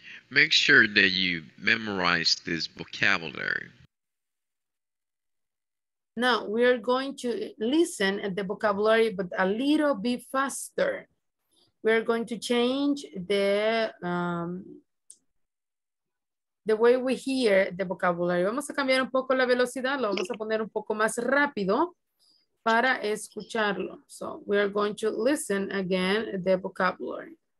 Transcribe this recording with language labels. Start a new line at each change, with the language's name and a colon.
English: Make sure that you memorize this vocabulary. Now we are going to listen at the vocabulary, but a little bit faster. We are going to change the way we hear the vocabulary.
Spanish: Vamos a cambiar un poco la velocidad, lo vamos a poner un poco más rápido para escucharlo.
English: So we are going to listen again the vocabulary.